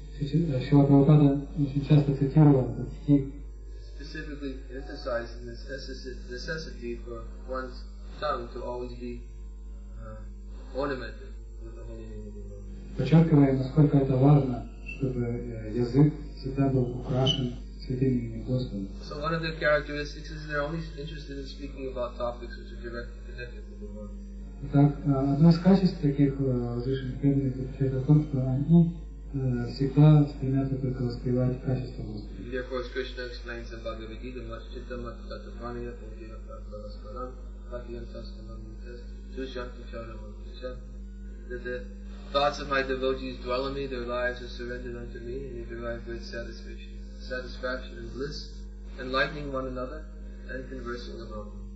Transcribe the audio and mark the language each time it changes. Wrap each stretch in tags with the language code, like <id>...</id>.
<ru>Шрила Прабхупада очень часто цитировал этот стих.</ru> <en>Specifically emphasizing the necessity for one's tongue to always be ornamented with the holy name of the Lord.</en> <ru>Подчеркивая, насколько это важно, чтобы язык всегда был украшен святым именем Господа.</ru> <en>So one of their characteristics is they're only interested in speaking about topics which are directly connected to the Lord.</en> <ru>Итак, одно из качеств таких возвышенных преданных заключается в том, что они всегда стремятся только воспевать качество Господа.</ru> <en>Therefore, as Krishna explains in Bhagavad Gita, much chitta, much tata praniya, pungira, prasparam, patiyam, tasmanam, yitas, tushyam, tucharam, tushyam, thoughts of my devotees dwell in me, their lives are surrendered unto me, and they derive great satisfaction and bliss, enlightening one another and conversing about</en>